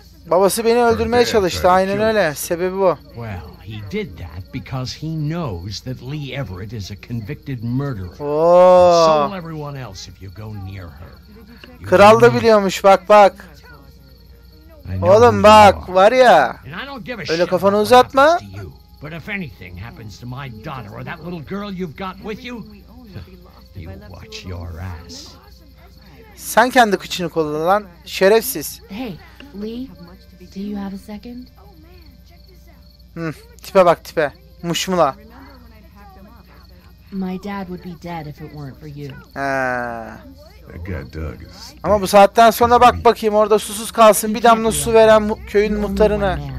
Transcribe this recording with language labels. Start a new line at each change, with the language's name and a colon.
Turkish: Babası beni öldürmeye çalıştı, aynen öyle, sebebi bu.
English: Well, he did that because he knows that Lee Everett is a convicted murderer. So will everyone else if you go near her.
Turkish: Kral da biliyormuş, bak. Oğlum bak, var ya. Öyle kafanı uzatma.
English: But if anything happens to my daughter or that little girl you've got with you, you watch your ass.
Turkish: Sen kendi kıçını kolla lan, şerefsiz.
English: Hey, Lee, do you have a second?
Turkish: Tipe bak tipe. Muşmula.
English: My dad would be dead if it weren't for you.
Turkish: Ama bu saatten sonra bak bakayım, orada susuz kalsın, bir damla su veren köyün muhtarına.